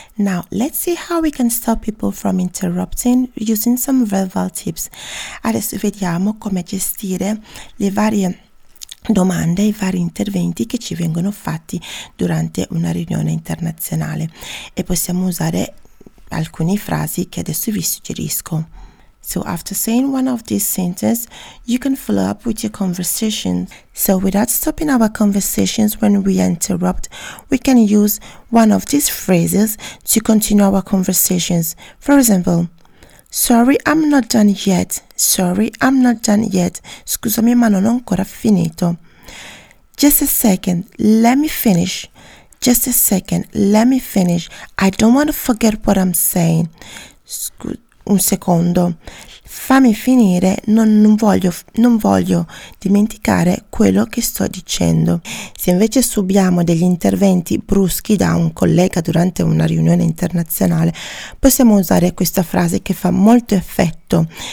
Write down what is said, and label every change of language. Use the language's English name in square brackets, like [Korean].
[English] Now, let's see how we can stop people from interrupting using some verbal tips. [Italian] Adesso vediamo come gestire le varie domande, i vari interventi che ci vengono fatti durante una riunione internazionale. E possiamo usare alcune frasi che adesso vi suggerisco. [English] So after saying one of these sentences, you can follow up with your conversation. So without stopping our conversations when we interrupt, we can use one of these phrases to continue our conversations. For example, Sorry, I'm not done yet. Sorry, I'm not done yet. [Italian] Scusami, ma non ho ancora finito. [English] Just a second, let me finish. Just a second, let me finish. I don't want to forget what I'm saying. [Italian] Un secondo, fammi finire, non voglio dimenticare quello che sto dicendo. Se invece subiamo degli interventi bruschi da un collega durante una riunione internazionale, possiamo usare questa frase che fa molto effetto.